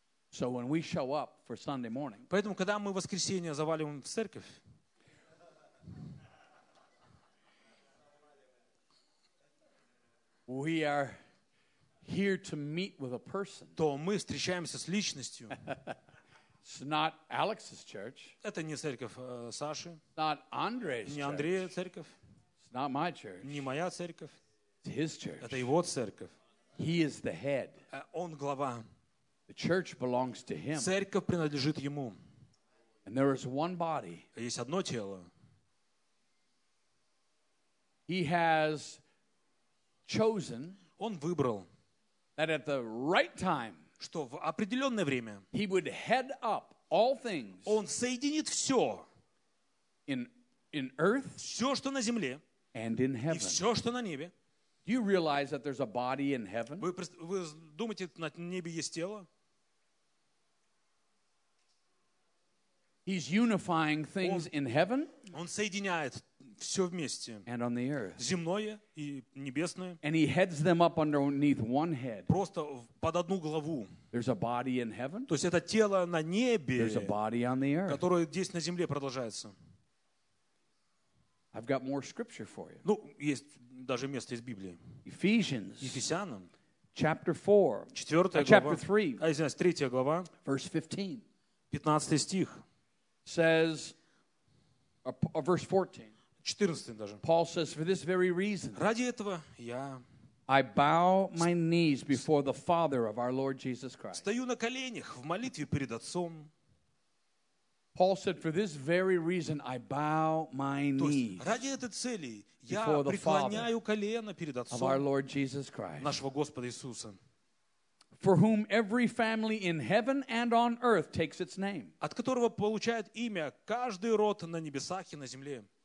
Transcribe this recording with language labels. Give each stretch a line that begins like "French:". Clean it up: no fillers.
English: So when we show up for Sunday morning.
Russian: Поэтому когда мы в воскресенье заваливаем в церковь.
English: We are here to meet with a person.
Russian: То мы встречаемся с личностью.
English: It's not Alex's church.
Russian: Это не церковь Саши.
English: Not Andre's.
Russian: Не Андрея церковь.
English: It's not my church.
Russian: Не моя церковь.
English: It's his church.
Russian: Это его церковь.
English: He is the head.
Russian: Он глава.
English: The church belongs to him.
Russian: Церковь принадлежит ему.
English: And there is one body.
Russian: Есть одно тело.
English: He has chosen.
Russian: Он выбрал.
English: That at the right time.
Russian: Что в определенное время.
English: He would head up all things.
Russian: Он соединит все.
English: In earth.
Russian: Все, что на земле.
English: And in heaven.
Russian: И все, что на небе.
English: Do you realize that there's a body in heaven?
Russian: Вы думаете, на небе есть тело?
English: He's unifying things in heaven.
Russian: Он соединяет все вместе.
English: And on the earth.
Russian: Земное и небесное.
English: And he heads them up underneath one head.
Russian: Просто под одну главу.
English: There's a body in heaven.
Russian: То есть это тело на небе.
English: There's a body on the earth.
Russian: Которое здесь на земле продолжается.
English: I've got more scripture for you.
Russian: Ну, есть даже место из Библии.
English: Ephesians.
Russian: Ефесянам.
English: Chapter 4.
Russian: Четвертая глава.
English: Chapter 3.
Russian: А, извиняюсь, третья глава.
English: Verse 15.
Russian: 15 стих.
English: Says, or verse 14.
Russian: 14 даже.
English: Paul says, for this very reason.
Russian: Ради этого я.
English: I bow my knees before the Father of our Lord Jesus Christ.
Russian: Стою на коленях в молитве перед Отцом.
English: Paul said, for this very reason I bow my knees.
Russian: То есть ради этой цели я преклоняю колено перед Отцом.
English: Of our Lord Jesus Christ.
Russian: Нашего Господа Иисуса.
English: For whom every family in heaven and on earth takes its name.
Russian: От которого получает имя каждый род на небесах и на земле.